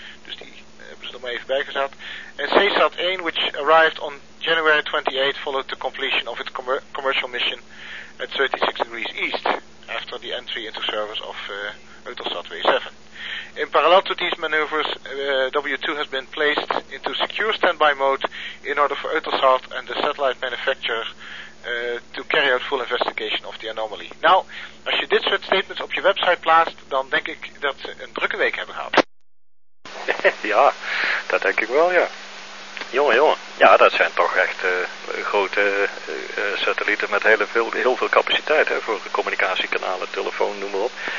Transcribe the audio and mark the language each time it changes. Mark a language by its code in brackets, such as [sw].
[nl] Dus die hebben ze er maar even bijgezet. [en] En CSAT 1, which arrived on January 28, followed the completion of its commercial mission at 36 degrees East. After the entry into service of Eutelsat W7. In parallel to these maneuvers, W2 has been placed into secure standby mode in order for Eutelsat and the satellite manufacturer to carry out full investigation of the anomaly. [nl] Nou, als je dit soort statements op je website plaatst, dan denk ik dat ze een drukke week hebben gehad. Ja, dat denk ik wel, ja. Jongen, jongen. Ja, dat zijn toch echt grote satellieten met heel veel capaciteit, hè, voor communicatiekanalen, telefoon, noem maar op.